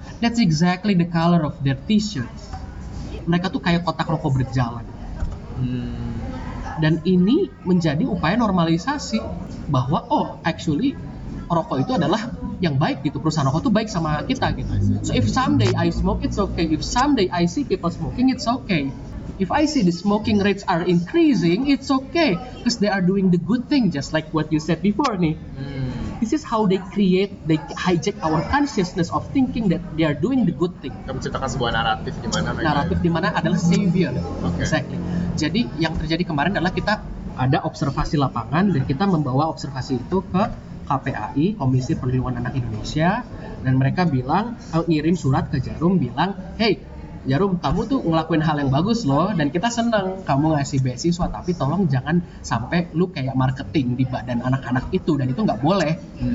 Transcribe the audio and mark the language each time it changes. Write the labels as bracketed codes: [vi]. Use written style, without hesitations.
[en] That's exactly the color of their t-shirts. [id] Mereka tuh kayak kotak rokok berjalan. Dan ini menjadi upaya normalisasi bahwa oh, actually rokok itu adalah yang baik gitu. Perusahaan rokok tuh baik sama kita gitu. [en] So if someday I smoke, it's okay. If someday I see people smoking, it's okay. If I see the smoking rates are increasing, it's okay. Because they are doing the good thing, just like what you said before nih. This is how they create, they hijack our consciousness of thinking that they are doing the good thing. [id] Kamu ceritakan sebuah naratif di mana mereka? Naratif di mana adalah savior. [en] Okay. Exactly. [id] Jadi yang terjadi kemarin adalah kita ada observasi lapangan dan kita membawa observasi itu ke KPAI, Komisi Perlindungan Anak Indonesia, dan mereka bilang, ngirim surat ke Jarum bilang, hey Jarum, kamu tuh ngelakuin hal yang bagus loh, dan kita seneng kamu ngasih beasiswa, tapi tolong jangan sampai lu kayak marketing di badan anak-anak itu, dan itu nggak boleh.